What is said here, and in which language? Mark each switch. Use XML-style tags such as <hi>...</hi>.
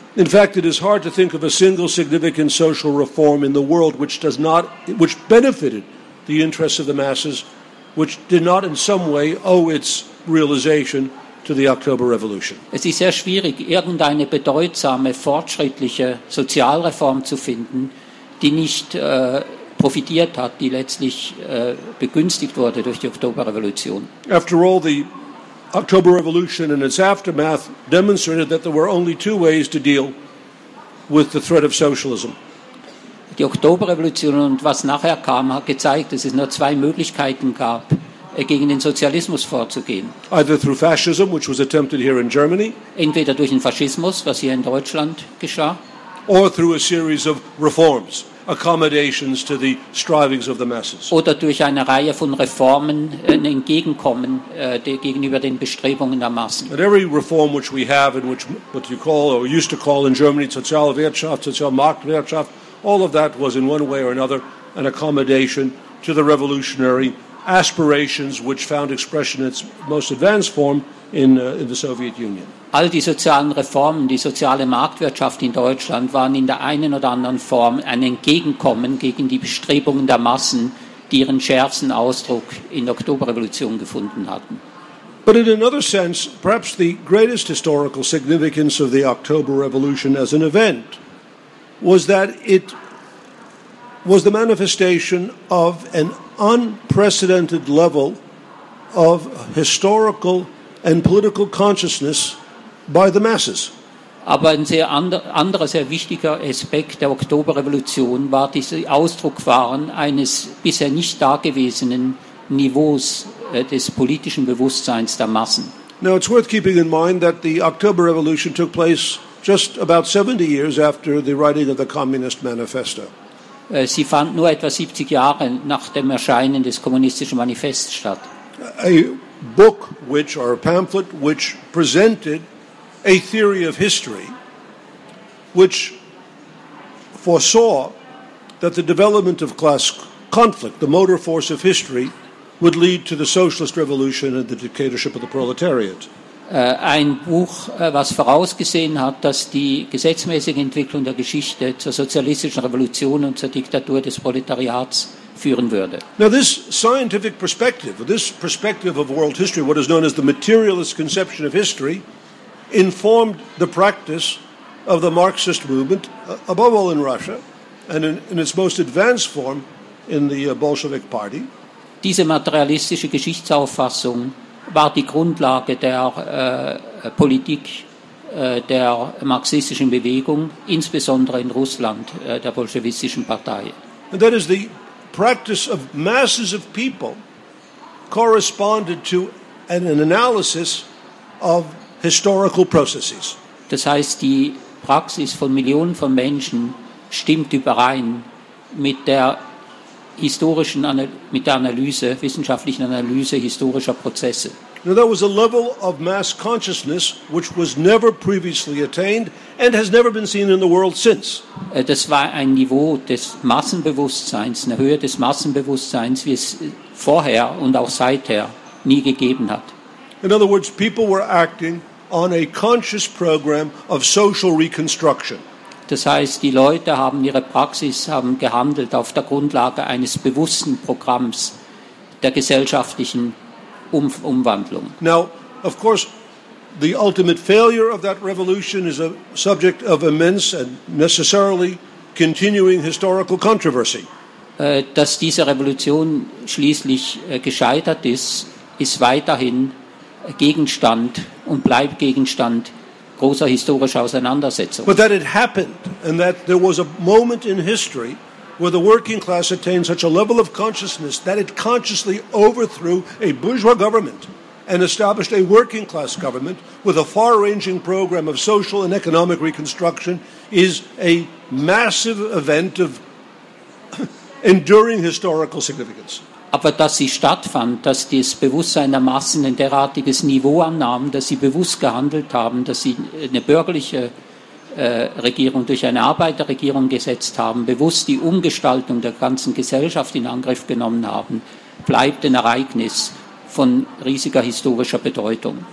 <en>In fact, it is hard to think of a single significant social reform in the world which benefited the interests of the masses, which did not in some way owe its realization to the October Revolution.</en> <de>Es ist sehr schwierig, irgendeine bedeutsame, fortschrittliche Sozialreform zu finden, die nicht profitiert hat, die letztlich begünstigt wurde durch die Oktoberrevolution.</de> <en>After all, the October Revolution and its aftermath demonstrated that there were only two ways to deal with the threat of socialism.</en> <de>Die Oktoberrevolution und was nachher kam, hat gezeigt, dass es nur zwei Möglichkeiten gab, gegen den Sozialismus vorzugehen.</de> <en>Either through fascism, which was attempted here in Germany.</en> <de>Entweder durch den Faschismus, was hier in Deutschland geschah.</de> <en>Or through a series of reforms, accommodations to the strivings of the masses.</en> <de>Oder durch eine Reihe von Reformen, ein Entgegenkommen gegenüber den Bestrebungen der Massen.</de> <en>But every reform which we have, in which what you call or used to call in Germany Sozialwirtschaft, Sozialmarktwirtschaft, all of that was in one way or another an accommodation to the revolutionary aspirations which found expression in its most advanced form in the Soviet Union.</en> <de>All die sozialen Reformen, die soziale Marktwirtschaft in Deutschland waren in der einen oder anderen Form ein Entgegenkommen gegen die Bestrebungen der Massen, die ihren schärfsten Ausdruck in der Oktoberrevolution gefunden hatten.</de> <en>But in another sense, perhaps the greatest historical significance of the October Revolution as an event was that it was the manifestation of an unprecedented level of historical and political consciousness by the masses.</en> <de>Aber ein sehr anderer, sehr wichtiger Aspekt der Oktoberrevolution war dieser Ausdruck waren eines bisher nicht dagewesenen Niveaus des politischen Bewusstseins der Massen.</de> <en>Now it's worth keeping in mind that the October Revolution took place just about 70 years after the writing of the Communist Manifesto.</en> <de>Sie fand nur etwa 70 Jahre nach dem Erscheinen des Kommunistischen Manifests statt.</de> <en>A book which, or a pamphlet which presented a theory of history which foresaw that the development of class conflict, the motor force of history, would lead to the socialist revolution and the dictatorship of the proletariat.</en> <de>Ein Buch, was vorausgesehen hat, dass die gesetzmäßige Entwicklung der Geschichte zur sozialistischen Revolution und zur Diktatur des Proletariats führen würde.</de> <en>Now this scientific perspective, this perspective of world history, what is known as the materialist conception of history, informed the practice of the Marxist movement, above all in Russia, and in its most advanced form in the Bolshevik Party.</en> <de>Diese materialistische Geschichtsauffassung war die Grundlage der Politik der marxistischen Bewegung, insbesondere in Russland, der bolschewistischen Partei.</de> <en>And that is the practice of masses of people corresponded to an analysis of historical processes.</en> <de>Das heißt, die Praxis von Millionen von Menschen stimmt überein mit der historischen Analyse, wissenschaftlichen Analyse historischer Prozesse.</de> <en>Now there was a level of mass consciousness which was never previously attained and has never been seen in the world since.</en> <de>Das war ein Niveau des Massenbewusstseins, eine Höhe des Massenbewusstseins, wie es vorher und auch seither nie gegeben hat.</de> <en>In other words, people were acting on a conscious program of social reconstruction.</en> <de>Das heißt, die Leute haben ihre Praxis haben gehandelt auf der Grundlage eines bewussten Programms der gesellschaftlichen Umwandlung.</de> <en>Now, of course, the ultimate failure of that revolution is a subject of immense and necessarily continuing historical controversy.</en> <de>Dass diese Revolution schließlich gescheitert ist, ist weiterhin Gegenstand und bleibt Gegenstand großer historischer Auseinandersetzung.</de> <en>But that it happened and that there was a moment in history where the working class attained such a level of consciousness that it consciously overthrew a bourgeois government and established a working class government with a far-ranging program of social and economic reconstruction is a massive event of enduring historical significance.</en> <de>Aber dass sie stattfand, dass das Bewusstsein der Massen ein derartiges Niveau annahm, dass sie bewusst gehandelt haben, dass sie eine bürgerliche Regierung durch eine Arbeiterregierung gesetzt haben, bewusst die Umgestaltung der ganzen Gesellschaft in Angriff genommen haben, bleibt ein Ereignis von riesiger historischer Bedeutung.</de>